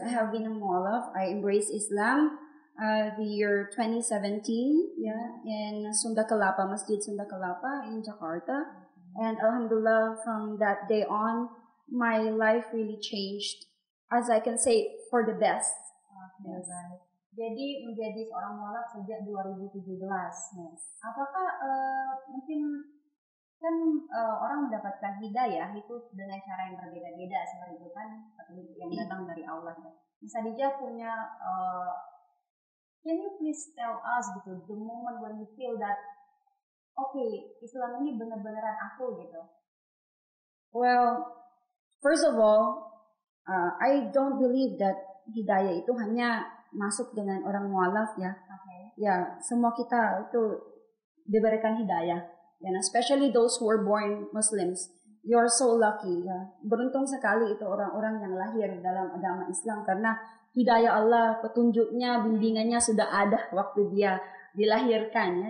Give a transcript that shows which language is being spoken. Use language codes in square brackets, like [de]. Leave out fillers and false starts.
[en] I have been a mualaf. I embrace Islam the year 2017, yeah, in Sunda Kelapa, Masjid Sunda Kelapa in Jakarta. And alhamdulillah, from that day on, my life really changed, as I can say, for the best. Okay, yes. Right. [id] Jadi menjadi seorang mualaf sejak 2017. [en] Yes. [id] Apakah mungkin kan orang mendapatkan hidayah itu dengan cara yang berbeda-beda seperti itu kan, yang datang dari Allah. [en] Miss Khadijah [id] punya [en] can you please tell us [id] gitu [en] the moment when you feel that okay, [id] Islam ini benar-benar aku gitu. [en] Well, first of all, I don't believe that [id] hidayah itu hanya masuk dengan orang mualaf, ya. [en] Okay. [id] Ya, semua kita itu diberikan hidayah. [en] And especially those who were born Muslims, you are so lucky, ya. [id] Beruntung sekali itu orang-orang yang lahir dalam agama Islam, karena hidayah Allah, petunjuknya, bimbingannya sudah ada waktu dia dilahirkan, ya.